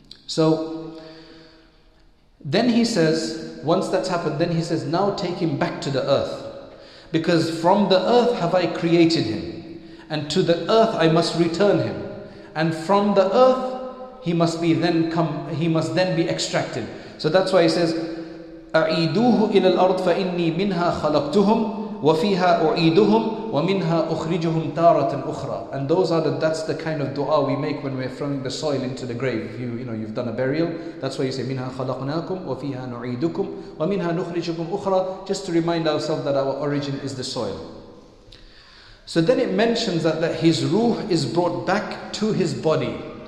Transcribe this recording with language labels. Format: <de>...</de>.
<en>So then he says, once that's happened, then he says, now take him back to the earth. Because from the earth have I created him, and to the earth I must return him. And from the earth he must then be extracted. So that's why he says,</en> <ar>أَعِيدُوهُ إِلَى الْأَرْضِ فَإِنِّي مِنْهَا خَلَقْتُهُمْ وَفِيهَا أُعِيدُهُمْ وَمِنْهَا أُخْرِجُهُمْ تَارَةً أُخْرَى.</ar> <en>And that's the kind of dua we make when we're throwing the soil into the grave. If you've done a burial, that's why you say,</en> <ar>مِنْهَا خَلَقْنَاكُمْ وَفِيهَا نُعِيدُكُمْ وَمِنْهَا نُخْرِجُكُمْ أُخْرَى.</ar> <en>Just to remind ourselves that our origin is the soil. So then it mentions that his ruh is brought back to his body.</en>